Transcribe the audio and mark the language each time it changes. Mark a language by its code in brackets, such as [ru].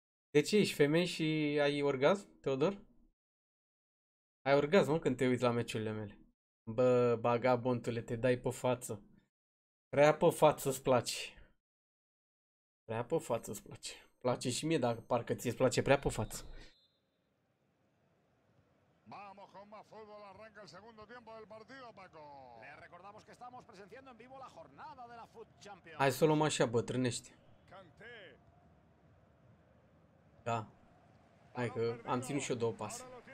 [ro] De ce ești femeie și ai orgasm, Teodor? Ai orgasm, mă, când te uiți la meciurile mele. Bă, bagabontule, te dai pe față. Prea pe față îți place. Prea pe față îți place. Place și mie, dar parcă ți-e place prea pe față. [es] Fútbol arranca el segundo tiempo del partido, Paco. Le recordamos que estamos presenciando en vivo la jornada de la Foot Champions. [ro] Hai să luăm așa, bătrânește. Da. Hai că am ținut și eu două pase.